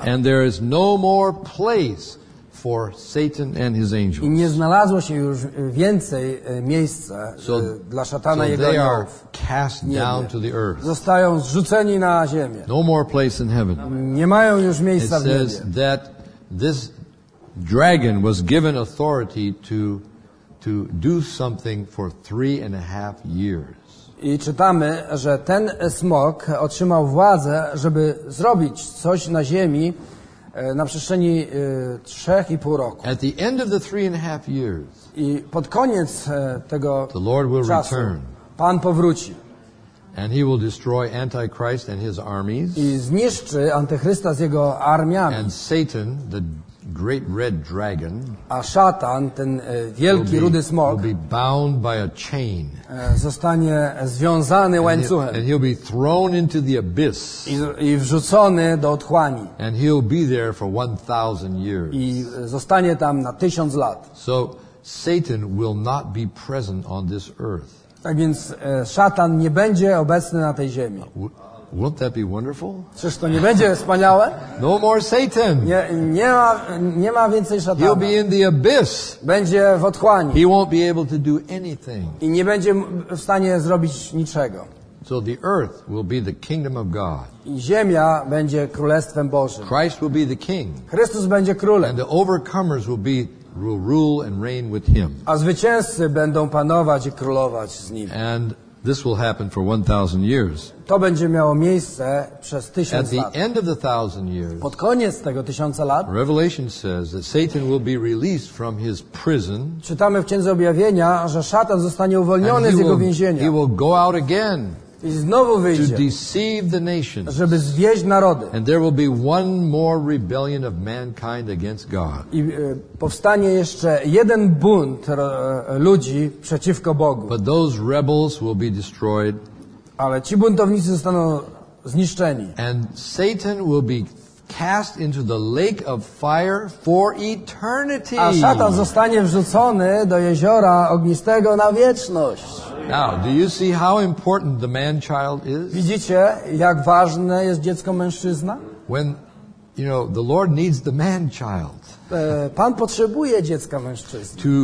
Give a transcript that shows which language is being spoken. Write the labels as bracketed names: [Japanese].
[English] And there is no more place for Satan and his angels. [Polish] I nie znalazło się już więcej miejsca dla szatana i jego aniołów. [English] So they are cast down to the earth. [Polish] Zostają zrzuceni na ziemię. [English] No more place in heaven. [Polish] Nie mają już miejsca w niebie. [English] It says that this dragon was given authority to do something for 3.5 years. [Polish] I czytamy, że ten smok otrzymał władzę, żeby zrobić coś na ziemi na przestrzeni 3.5 roku. [English] At the end of the 3.5 years, [Polish] i pod koniec tego [English] the Lord will [Polish] czasu [English] return. [Polish] Pan powróci. [English] And he will destroy Antichrist and his armies. [Polish] I zniszczy Antychrysta z jego armiami. [English] And Satan, the great red dragon, [Polish] a szatan, ten wielki rudy smok, [English] will be bound by a chain. [Polish] Zostanie związany łańcuchem. [English] And he'll be thrown into the abyss. [Polish] I wrzucony do otchłani. [English] And he'll be there for 1,000 years. [Polish] I zostanie tam na 1,000 lat. [English] So Satan will not be present on this earth. [Polish] Tak więc szatan nie będzie obecny na tej ziemi. [English] Won't that be wonderful? [Polish] Czyż to nie będzie wspaniałe? [English] No more Satan. [Polish] Nie ma więcej szatana. [English] He'll be in the abyss. [Polish] Będzie w otchłani. [English] He won't be able to do anything. [Polish] I nie będzie w stanie zrobić niczego. [English] So the earth will be the kingdom of God. [Polish] I ziemia będzie królestwem Bożym. [English] Christ will be the king. [Polish] Chrystus będzie królem. [English] And the overcomers will rule and reign with him. [Polish] A zwycięzcy będą panować i królować z nim. [English] And this will happen for 1,000 years. [Polish] To będzie miało miejsce przez 1,000 lat. [English] At the end of the 1,000 years. [Polish] Pod koniec tego 1,000 lat. [English] Revelation says that Satan will be released from his prison. [Polish] Czytamy w Księdze Objawienia, że szatan zostanie uwolniony z jego więzienia. [English] He will go out again. [Polish] I znowu wyjdzie, [English] to deceive the nations, [Polish] żeby zwieść narody. [English] And there will be one more rebellion of mankind against God. [Polish] I powstanie jeszcze jeden bunt ludzi przeciwko Bogu. [English] But those rebels will be destroyed. [Polish] Ale ci buntownicy zostaną zniszczeni. [English] And Satan will be cast into the lake of fire for eternity. [Polish] A szatan zostanie wrzucony do jeziora ognistego na wieczność. [English] Now, do you see how important the man-child is? [Polish] Widzicie, jak ważne jest dziecko mężczyzna? [English] When, you know, the Lord needs the man-child. [Polish] Pan potrzebuje dziecka mężczyzny.